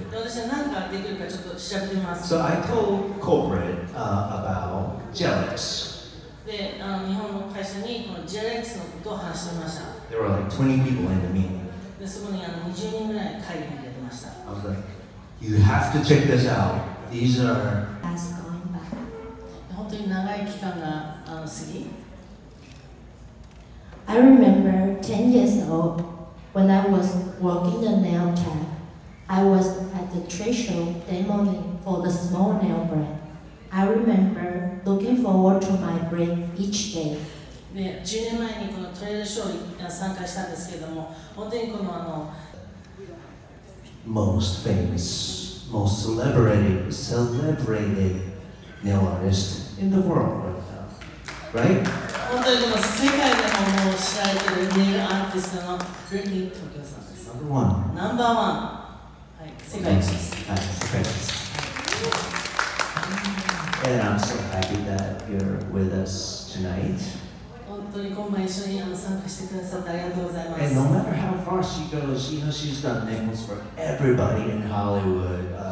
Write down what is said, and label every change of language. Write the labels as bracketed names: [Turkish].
[Japanese] 私は何ができるかちょっと調べてみます。 [English] So I told corporate, about Jellex. [Japanese] で、日本の会社にこの Jellex のことを話してみました。 [English] There were like 20 people in the meeting. [Japanese] で、そこに20人ぐらい会議に出てました。 [English] I was like, you have to check this out. These are... [Japanese] 本当に長い期間が過ぎ。 [English] I remember 10 years old. When I was working the nail tech, I was at the trade show demoing for the small nail brand. I remember looking forward to my break each day. [Japanese] 10年前にこのトレードショーに参加したんですけども、本当にこの [English] Most famous, most celebrated nail artist in the world right now, right? [Japanese] 本当にも世界でももう知られているネイルアーティストのブリッニー・トキオさんです。ナンバーワン。はい、世界一です。はい、世界一です。 [English] And I'm so happy that you're with us tonight. [Japanese] 本当に今晩一緒に参加してくださってありがとうございます。 [English] And no matter how far she goes, you know she's done nails for everybody in Hollywood.